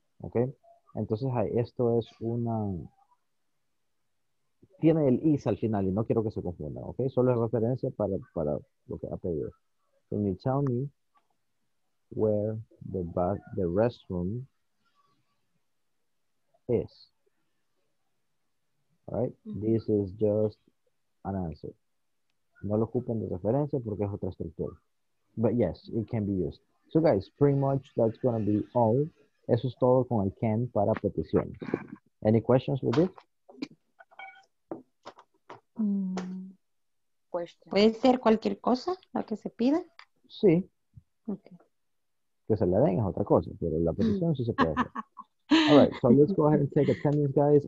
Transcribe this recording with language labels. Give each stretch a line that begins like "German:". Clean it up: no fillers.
Spanish: Ok, entonces esto es una, tiene el is al final y no quiero que se confundan, ok, solo es referencia para lo que ha pedido.
English: Can you tell me where the restroom is? All right, this is just an answer.
Spanish: No lo ocupen de referencia porque es otra estructura.
English: But yes, it can be used. So guys, pretty much that's going to be all.
Spanish: Eso es todo con el can para petición.
English: Any questions with this?
Spanish: ¿Puede ser cualquier cosa lo que se pida? Sí. Okay. Que se le den es otra cosa, pero la petición sí se puede hacer.
English: All right, so let's go ahead and take attendance, guys.